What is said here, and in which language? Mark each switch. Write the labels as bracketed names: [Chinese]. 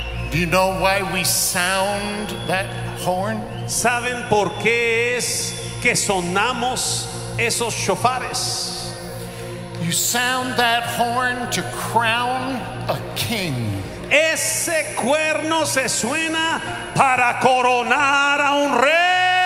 [English] Do you know why we sound that horn? [Spanish] ¿Saben por qué es que sonamos esos shofares? [English] You sound that horn to crown a king. [Spanish] Ese cuerno se suena para coronar a un rey.